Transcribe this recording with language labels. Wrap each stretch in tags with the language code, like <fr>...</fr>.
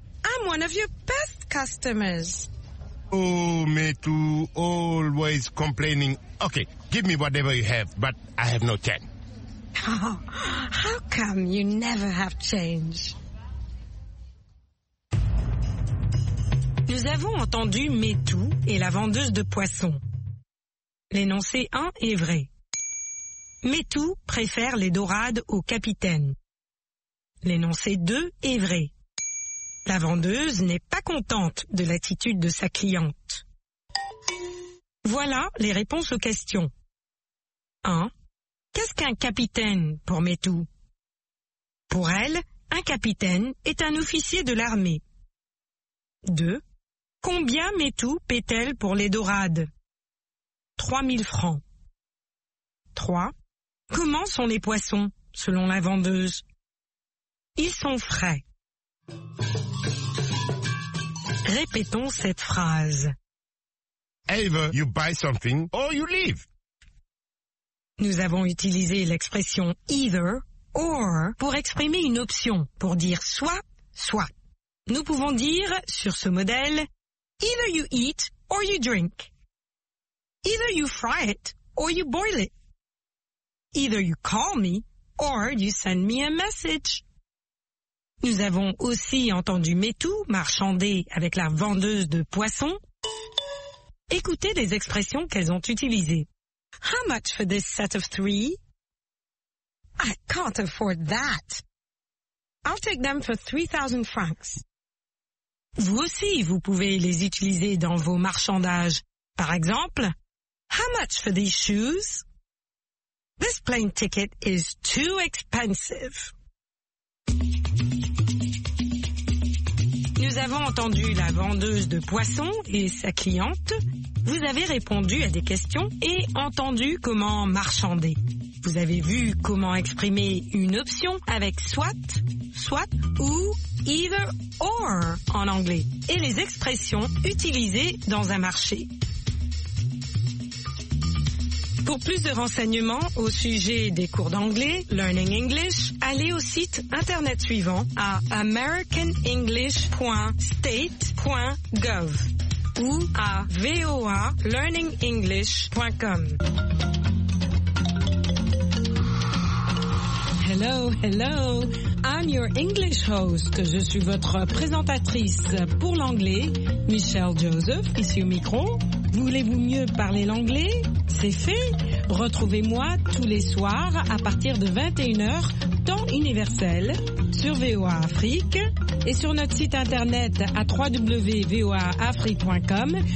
<en>I'm one of your best customers. Oh, Metou, always complaining. Okay, give me whatever you have, but I have no change. How come you never have change?</en> <fr>Nous avons entendu Metou et la vendeuse de poissons. L'énoncé 1 est vrai. Metou préfère les dorades au capitaine. L'énoncé 2 est vrai. La vendeuse n'est pas contente de l'attitude de sa cliente. Voilà les réponses aux questions. 1. Qu'est-ce qu'un capitaine pour Metou? Pour elle, un capitaine est un officier de l'armée. 2. Combien Metou paie-t-elle pour les dorades? 3000 francs. 3. Comment sont les poissons, selon la vendeuse? Ils sont frais. Répétons cette phrase.</fr> <en>Either you buy something or you leave.</en> <fr>Nous avons utilisé l'expression either or pour exprimer une option, pour dire soit, soit. Nous pouvons dire, sur ce modèle,</fr> <en>either you eat or you drink. Either you fry it or you boil it. Either you call me or you send me a message.</en> <fr>Nous avons aussi entendu Metou marchander avec la vendeuse de poissons. Écoutez les expressions qu'elles ont utilisées.</fr> <en>How much for this set of three? I can't afford that. I'll take them for 3,000 francs.</en> <fr>Vous aussi, vous pouvez les utiliser dans vos marchandages. Par exemple,</fr> <en>how much for these shoes? This plane ticket is too expensive.</en> <fr>Nous avons entendu la vendeuse de poissons et sa cliente. Vous avez répondu à des questions et entendu comment marchander. Vous avez vu comment exprimer une option avec soit, soit ou either or en anglais et les expressions utilisées dans un marché. Pour plus de renseignements au sujet des cours d'anglais, Learning English, allez au site internet suivant à americanenglish.state.gov ou à voalearningenglish.com.</fr> <en>Hello, hello, I'm your English host.</en> <fr>Je suis votre présentatrice pour l'anglais, Michelle Joseph, ici au micro. Voulez-vous mieux parler l'anglais? C'est fait. Retrouvez-moi tous les soirs à partir de 21h, temps universel, sur VOA Afrique et sur notre site internet à www.voaafrique.com.</fr>